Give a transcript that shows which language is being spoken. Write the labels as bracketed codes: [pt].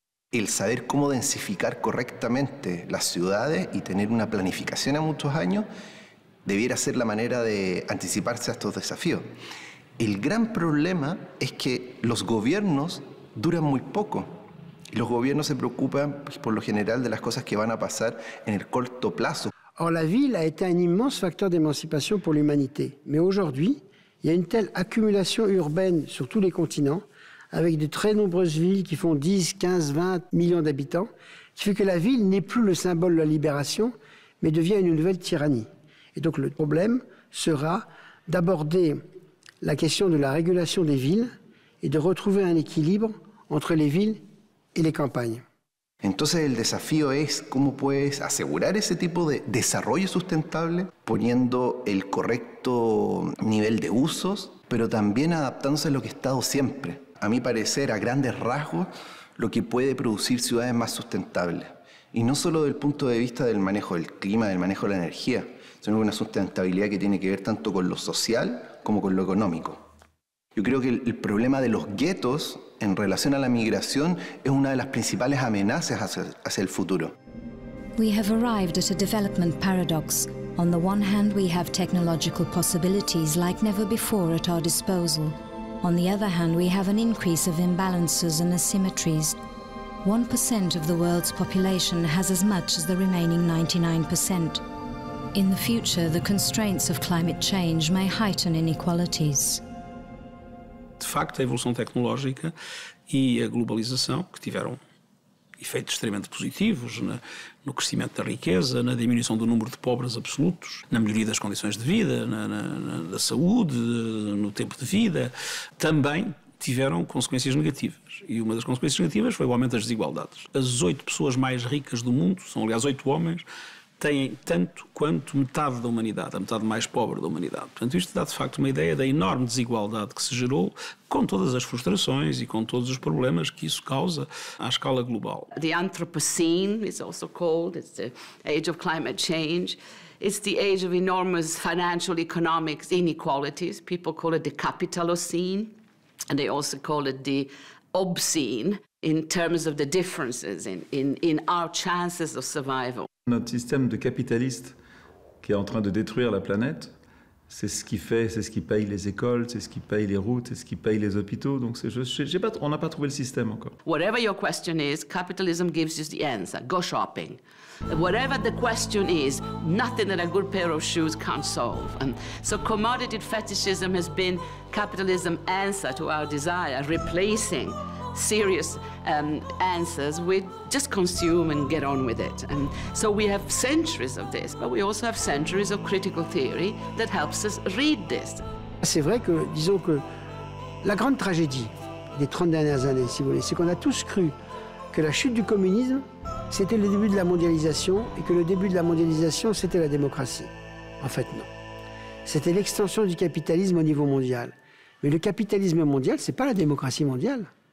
[es] El saber cómo densificar correctamente las ciudades y tener una planificación a muchos años debiera ser la manera de anticiparse a estos desafíos. El gran problema es que los gobiernos duran muy poco. Los gobiernos se preocupan, por lo general, de las cosas que van a pasar en el corto plazo. [fr] Or, la ville a été un immense facteur d'émancipation pour l'humanité. Mais aujourd'hui, il y a une telle accumulation urbaine sur tous les continents, avec de très nombreuses villes qui font 10, 15, 20 millions d'habitants, qui fait que la ville n'est plus le symbole de la libération, mais devient une nouvelle tyrannie. Et donc, le problème sera d'aborder la question de la régulation des villes et de retrouver un équilibre entre les villes et les campagnes. [es] Entonces el desafío es cómo puedes asegurar ese tipo de desarrollo sustentable poniendo el correcto nivel de usos, pero también adaptándose a lo que ha estado siempre. A mi parecer, a grandes rasgos, lo que puede producir ciudades más sustentables. Y no solo desde el punto de vista del manejo del clima, del manejo de la energía, sino una sustentabilidad que tiene que ver tanto con lo social como con lo económico. Yo creo que el problema de los guetos en relación a la migración es una de las principales amenazas hacia el futuro. [en] We have arrived at a development paradox. On the one hand, we have technological possibilities like never before at our disposal. On the other hand, we have an increase of imbalances and asymmetries. 1% of the world's population has as much as the remaining 99%. In the future, the constraints of climate change may heighten inequalities. [pt] De facto, a evolução tecnológica e a globalização, que tiveram efeitos extremamente positivos no crescimento da riqueza, na diminuição do número de pobres absolutos, na melhoria das condições de vida, na saúde, no tempo de vida, também tiveram consequências negativas. E uma das consequências negativas foi o aumento das desigualdades. As 8 pessoas mais ricas do mundo, são aliás 8 homens, têm tanto quanto metade da humanidade, a metade mais pobre da humanidade. Portanto, isto dá de facto uma ideia da enorme desigualdade que se gerou, com todas as frustrações e com todos os problemas que isso causa à escala global. [en] The Anthropocene is also called, it's the age of climate change. It's the age of enormous financial economic inequalities. People call it the Capitalocene, and they also call it the Obscene in terms of the differences in our chances of survival. [fr] Notre système de capitaliste qui est en train de détruire la planète, c'est ce qui fait, c'est ce qui paye les écoles, c'est ce qui paye les routes, c'est ce qui paye les hôpitaux. Donc c'est juste, on n'a pas trouvé le système encore. [en] Whatever your question is, capitalism gives you the answer. Go shopping. Whatever the question is, nothing that a good pair of shoes can't solve. And so commodity fetishism has been capitalism's answer to our desire, replacing serious answers, we just consume and get on with it. And so we have centuries of this, but we also have centuries of critical theory that helps us read this. [fr] C'est vrai que, disons que, la grande tragédie des 30 dernières années, si vous voulez, c'est qu'on a tous cru que la chute du communisme, c'était le début de la mondialisation, et que le début de la mondialisation, c'était la démocratie. En fait, non. C'était l'extension du capitalisme au niveau mondial. Mais le capitalisme mondial, c'est pas la démocratie mondiale.